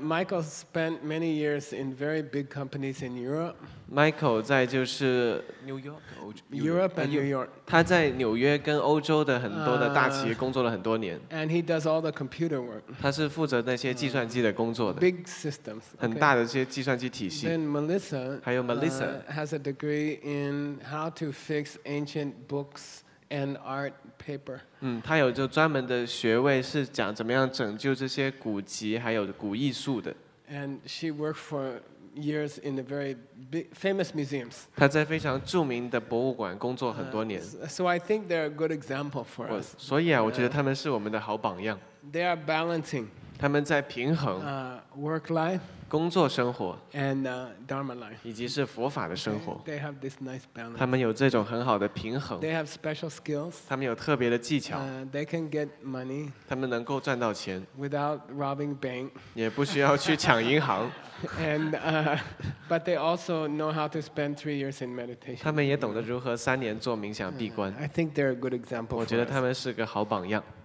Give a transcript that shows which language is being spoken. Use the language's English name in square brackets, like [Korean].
[English] Michael spent many years in very big companies in Europe. [Chinese] Michael 在就是 [English] New York, Europe and New York. [Chinese] 他在纽约跟欧洲的很多的大企业工作了很多年。 [English] And he does all the computer work. [Chinese] 他是负责那些计算机的工作的。 [English] Big systems. [Chinese] 很大的这些计算机体系。 [English] Then Melissa, [Chinese] 还有 Melissa, [English] has a degree in how to fix ancient books. And art paper. [Chinese] 他有就专门的学位，是讲怎么样拯救这些古籍，还有古艺术的。 [English] And she worked for years in the very big, famous museums. [Chinese] 他在非常著名的博物馆工作很多年。 [English] So I think they're a good example for us. [Chinese] 所以啊，我觉得他们是我们的好榜样。 [English] They are balancing. [Chinese] 他们在平衡。 [English] Work life. [Chinese] 工作生活。 [English] And Dharma life. [Chinese] 以及是佛法的生活。 [English] They have this nice balance. [Chinese] 他们有这种很好的平衡。 [English] They have special skills. [Chinese] 他们有特别的技巧。 [English] They can get money. [Chinese] 他们能够赚到钱。 [English] Without robbing bank. [Chinese] 也不需要去抢银行。 [English] And but they also know how to spend 3 years in meditation. [Chinese] 他们也懂得如何三年做冥想闭关。 [English] I think they're a good example. [Chinese] 我觉得他们是个好榜样。